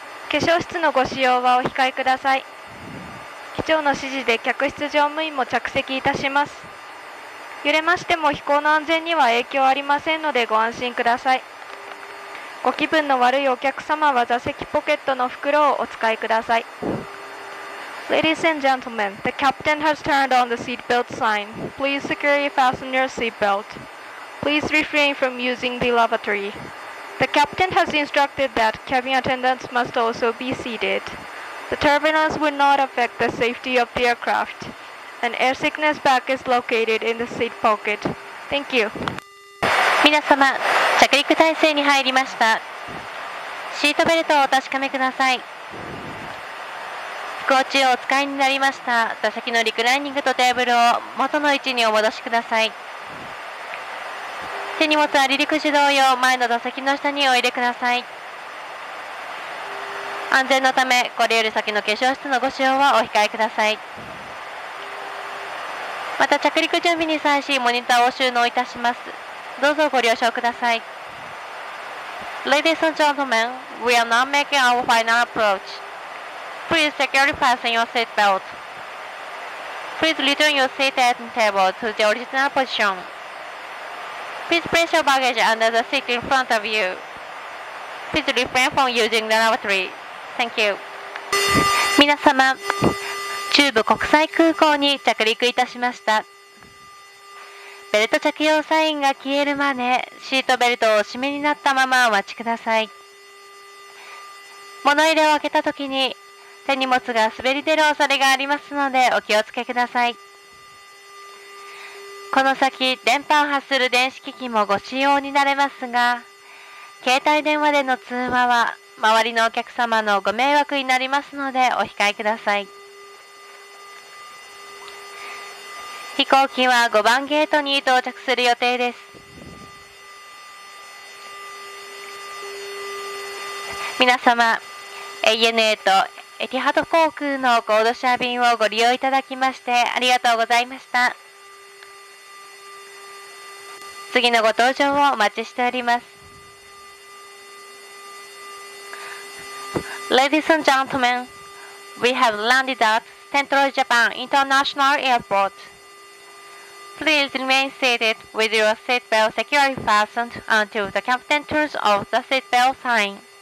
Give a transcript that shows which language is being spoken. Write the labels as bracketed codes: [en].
[ja] 化粧室のご使用はお控えください。機長の指示で客室乗務員も着席いたします。揺れましても飛行の安全には影響ありませんのでご安心ください。ご気分の悪いお客様は座席ポケットの袋をお使いください。 [en] Ladies and gentlemen, the captain has turned on the seatbelt sign. Please securely fasten your seatbelt. Please refrain from using the lavatory. The captain has instructed that cabin attendants must also be seated. The turbulence will not affect the safety of the aircraft. An air sickness bag is located in the seat pocket. Thank you. [ja] 皆様、着陸態勢に入りました。シートベルトをお確かめください。飛行中お使いになりました座席のリクライニングとテーブルを元の位置にお戻しください。手荷物は離陸時同様、前の座席の下にお入れください。安全のため、これより先の化粧室のご使用はお控えください。また着陸準備に際しモニターを収納いたします。どうぞご了承ください。 [en] Ladies and gentlemen, we are now making our final approach. Please securely fasten your seat belt. Please return your seat at the table to the original position. Please place your baggage under the seat in front of you. Please refrain from using the lavatory. Thank you. [ja] 皆様、中部国際空港に着陸いたしました。ベルト着用サインが消えるまでシートベルトをお締めになったままお待ちください。物入れを開けた時に手荷物が滑り出る恐れがありますのでお気をつけください。この先電波を発する電子機器もご使用になれますが、携帯電話での通話は周りのお客様のご迷惑になりますのでお控えください。飛行機は5番ゲートに到着する予定です。皆様、 ANA とエティハド航空のコードシャー便をご利用いただきましてありがとうございました。次のご搭乗をお待ちしております。 [en] Ladies and gentlemen, we have landed at Central Japan International AirportPlease remain seated with your seatbelt securely fastened until the captain turns off the seatbelt sign.